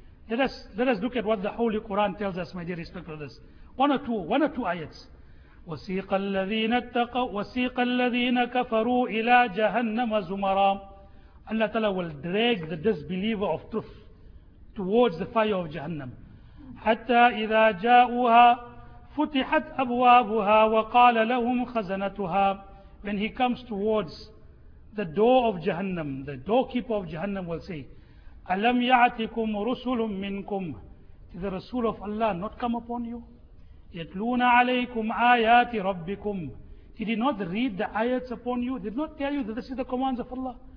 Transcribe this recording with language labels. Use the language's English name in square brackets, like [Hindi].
[English] Let us look at what the Holy Quran tells us, my dear respected brothers. One or two ayats. [Arabic] وسيق الذين اتقوا وسيق الذين كفروا إلى جهنم زمرا. [English] Allah Ta'ala will drag the disbeliever of truth towards the fire of Jahannam. [Arabic] حتى إذا جاءوها فتحت أبوابها وقال لهم خزنتها. [English] When he comes towards the door of Jahannam, the doorkeeper of Jahannam will say, [Arabic] أَلَمْ يَعْتِكُمْ رُسُلٌ مِّنْكُمْ. [English] Did the Rasul of Allah not come upon you? [Arabic] يَتْلُونَ عَلَيْكُمْ آيَاتِ رَبِّكُمْ. [English] Did he not read the ayats upon you? Did not tell you that this is the commands of Allah?